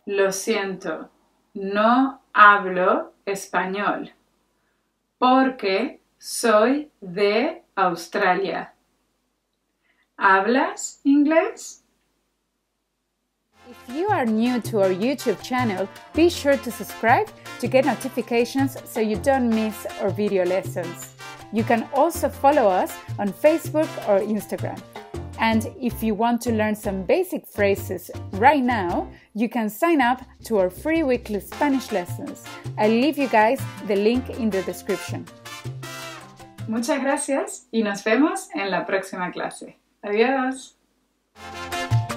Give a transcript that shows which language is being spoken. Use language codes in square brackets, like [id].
[es] Lo siento, no hablo español porque soy de Australia. ¿Hablas inglés? [en] If you are new to our YouTube channel, be sure to subscribe to get notifications so you don't miss our video lessons. You can also follow us on Facebook or Instagram. And if you want to learn some basic phrases right now, you can sign up to our free weekly Spanish lessons. I'll leave you guys the link in the description. [es] Muchas gracias y nos vemos en la próxima clase. Adiós.